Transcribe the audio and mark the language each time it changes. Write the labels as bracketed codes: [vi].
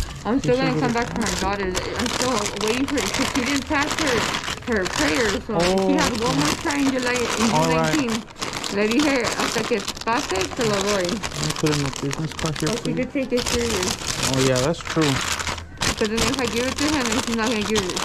[en] I'm still gonna come back for my daughter. I'm still waiting for it because she didn't pass her prayer, so she has one more time in July 19. [es] Le dije hasta que pase se lo doy. [en] I'm gonna put in my business card here. So she could take it serious. Oh yeah, that's true. Because then if I give it to her, she's not gonna give it.